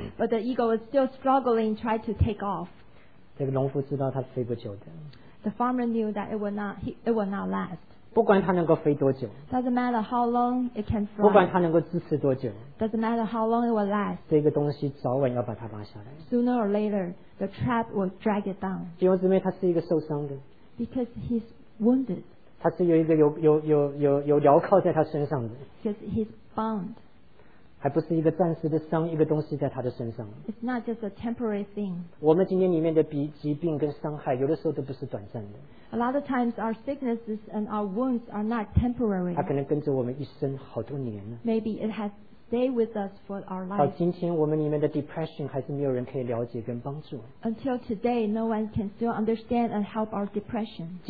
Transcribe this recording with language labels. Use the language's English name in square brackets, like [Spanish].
[English] But the eagle was still struggling, tried to take off. [Chinese] 这个农夫知道他飞不久的。 [English] The farmer knew that it would not last. [Chinese] 不管他能够飞多久。 [English] Doesn't matter how long it can fly. [Chinese] 不管他能够支持多久。 [English] Doesn't matter how long it will last. [Chinese] 这个东西早晚要把它拔下来。 [English] Sooner or later, the trap will drag it down. [Chinese] 弟兄姊妹，他是一个受伤的。 [English] Because he's wounded. [Chinese] 他是有一个有镣铐在他身上的。 [English] Because he's bound. [Chinese] 还不是一个暂时的伤，一个东西在他的身上。 [English] It's not just a temporary thing. [Chinese] 我们今天里面的疾病跟伤害，有的时候都不是短暂的。 [English] A lot of times our sicknesses and our wounds are not temporary. [Chinese] 它可能跟着我们一生好多年了。 [English] Maybe it has stayed with us for our life. [Chinese] 到今天，我们里面的depression还是没有人可以了解跟帮助。 [English] Until today, no one can still understand and help our depression.